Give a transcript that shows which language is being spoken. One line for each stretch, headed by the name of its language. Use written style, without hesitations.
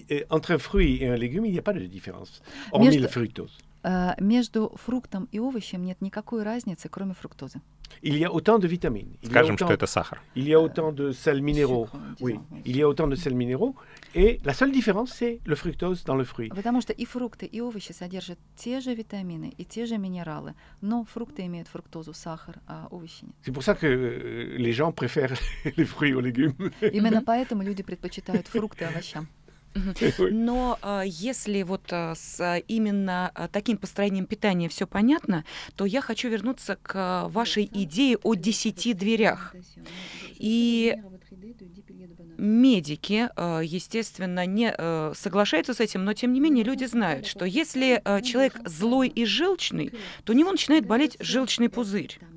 French: Entre fruits et un légume, il n'y a pas de différence, hormis le fructose.
Russian: Между фруктом и овощем нет никакой разницы, кроме фруктозы.
French: Il y a autant de vitamines.
Russian: Скажем, что это сахар.
French: Il y a autant de sels minéraux. Oui. Il y a autant de sels minéraux. Et la seule différence, c'est le fructose dans le fruit.
Russian: Потому что и фрукты, и овощи содержат те же витамины и те же минералы, но фрукты имеют фруктозу, сахар, а овощи нет.
French: C'est pour ça que les gens préfèrent les fruits aux légumes.
Russian: Именно поэтому люди предпочитают фрукты овощам. Но если вот с именно таким построением питания все понятно, то я хочу вернуться к вашей идее о 10 дверях. И медики, естественно, не соглашаются с этим, но тем не менее люди знают, что если человек злой и желчный, то у него начинает болеть желчный пузырь.